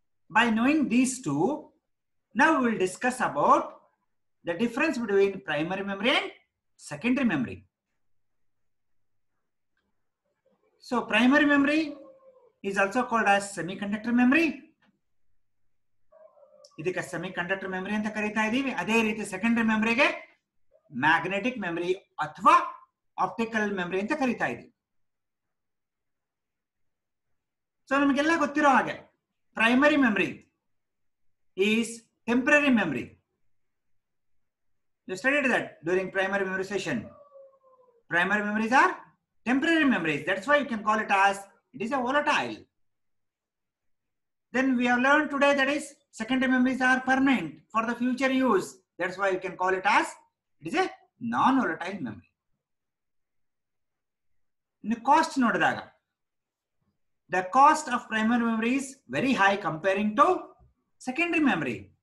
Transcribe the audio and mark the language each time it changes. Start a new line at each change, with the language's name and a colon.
English: By knowing these two, now we will discuss about the difference between primary memory and secondary memory. So primary memory is also called as semiconductor memory.
Kannada: ಇದಕ್ಕೆ semi conductor memory ಅಂತ ಕರೀತಾ ಇದೀವಿ. ಅದೇ ರೀತಿ secondary ಮೆಮರಿಗೆ magnetic memory ಅಥವಾ optical memory ಅಂತ ಕರೀತಾ ಇದೀವಿ.
English: so
Kannada: ನಮಗೆಲ್ಲ ಗೊತ್ತಿರೋ ಹಾಗೆ
English: Primary memory is temporary memory. You studied that during primary memory session. Primary memories are temporary memories, that's why you can call it as it is a volatile. Then we have learn today that is secondary memories are permanent for the future use. That's why you can call it as it is a non volatile memory. In the cost nodidaga, the cost of primary memory is very high comparing to secondary memory.